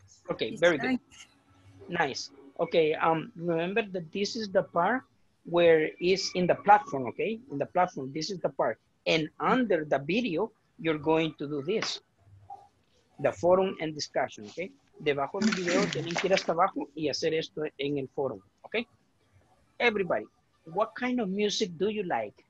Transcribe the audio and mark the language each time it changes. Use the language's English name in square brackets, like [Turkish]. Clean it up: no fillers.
[English] Okay, very good. Nice. Okay, remember that this is the part where it's in the platform, okay? In the platform, this is the part. And under the video, you're going to do this. The forum and discussion, okay? [Spanish] Debajo del video, tienen que ir hasta abajo y hacer esto en el forum, okay? [English] Everybody, what kind of music do you like?